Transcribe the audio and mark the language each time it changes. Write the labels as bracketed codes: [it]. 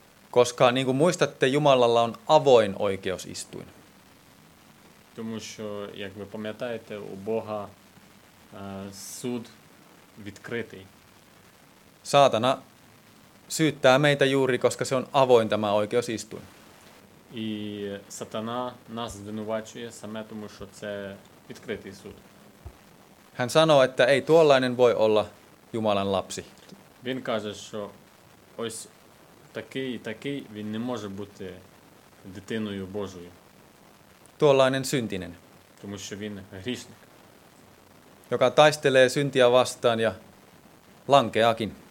[fi] Koska niin kuin muistatte, Jumalalla on avoin oikeusistuin. [uk] Тому що, як ви пам'ятаєте, у Бога суд відкритий. [fi] Сатана syyttää meitä juuri, koska se on avoin tämä oikeusistuin. [uk] І сатана нас звинувачує саме тому, що це відкритий суд. [fi] Hän sanoo, että ei tuollainen voi olla Jumalan lapsi. [uk] Він каже, що ось такий, він не може бути дитиною Божою. [fi] Tuollainen syntinen. [uk] Тому що він грішник. [fi] Joka taistelee syntiä vastaan ja lankeakin.